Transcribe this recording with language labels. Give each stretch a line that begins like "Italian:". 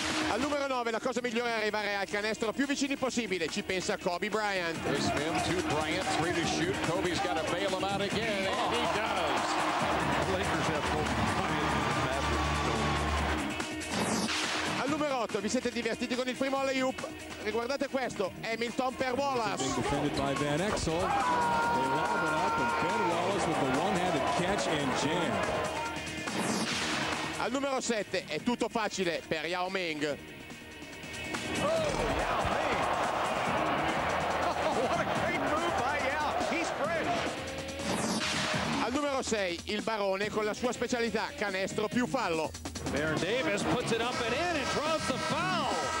Italian: Al numero 9 la cosa migliore è arrivare al canestro più vicini possibile, ci pensa Kobe Bryant.
English: They spin to Bryant, three to shoot. Kobe's got to bail him out again, oh. And he does. Lakers have pulled.
Italian: Al numero 8 vi siete divertiti con il primo alley-oop. Riguardate questo, Hamilton per Wallace.
English: Being defended by Van Exel. They lob it up and Ben Wallace with a one-handed catch and jam.
Italian: Al numero 7 è tutto facile per Yao Ming.
English: Oh, Yao Ming! Oh, what a great move by Yao! He's fresh!
Italian: Al numero 6, il barone con la sua specialità, canestro più fallo.
English: Baron Davis puts it up and in and draws the foul!